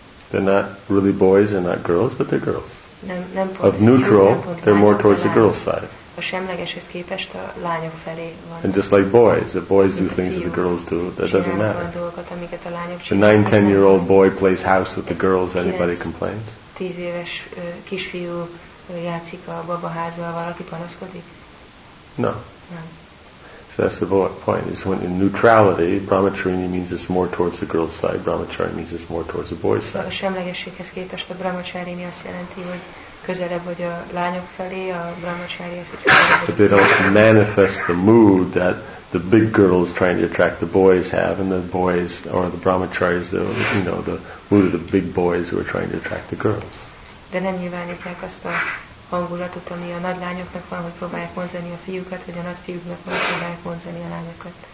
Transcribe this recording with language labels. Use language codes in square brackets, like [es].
[en] They're not really boys, they're not girls, but they're girls. [hu] Nem [en] of neutral, they're more towards the girls' side. [hu] A semlegeshez képest a lányok felé van. [en] And just like boys, the boys do things that the girls do, that doesn't matter. [hu] Dolgokat, amiket a lányok csinálnak. [en] A 9-10-year-old boy plays house with the girls, anybody complains? [hu] 10 éves kisfiú játszik a babaházban, valaki panaszkodik? [en] No. So that's the point. It's when in neutrality, brahmacharini means it's more towards the girl's side, brahmacharya means it's more towards the boy's side. [hu] A semlegességhez képest a brahmacharini azt jelenti, hogy közelebb vagy a lányok felé, a brahmacharya az, hogy [en] but they don't manifest the mood that the big girls trying to attract the boys have, and the boys, or the brahmacharyas, the, you know, the mood of the big boys who are trying to attract the girls. [hu] De nem nyilvánítják azt a hangulatot, ami a nagy lányoknak van, hogy próbálják vonzani a fiúkat, vagy a nagy fiúknak van, hogy próbálják vonzani a lányokat.